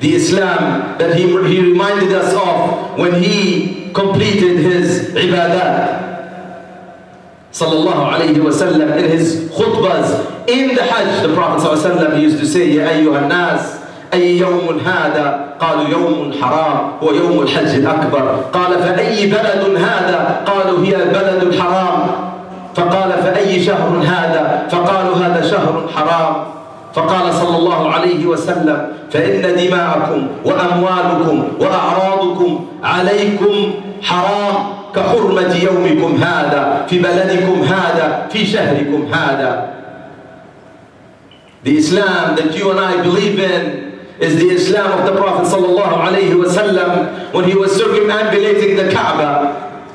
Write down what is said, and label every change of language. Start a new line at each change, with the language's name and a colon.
English: The Islam that he reminded us of when he completed his ibadat. Sallallahu alayhi wa sallam, in his khutbas in the Hajj, the Prophet sallallahu alayhi wa sallam, he used to say, Ya ayyuhal nas,
Arabic: أي يوم هذا؟ قالوا يوم حرام هو يوم الحج الأكبر. قال فأي بلد هذا؟ قالوا هي بلد الحرام. فقال فأي شهر هذا؟ فقالوا هذا شهر حرام. فقال صلى الله عليه وسلم فإن دماءكم وأموالكم وأعراضكم عليكم حرام كحرمة يومكم هذا في بلدكم هذا في شهركم هذا.
English: The Islam that you and I believe in is the Islam of the Prophet sallallahu alayhi wa sallam when he was circumambulating the Kaaba.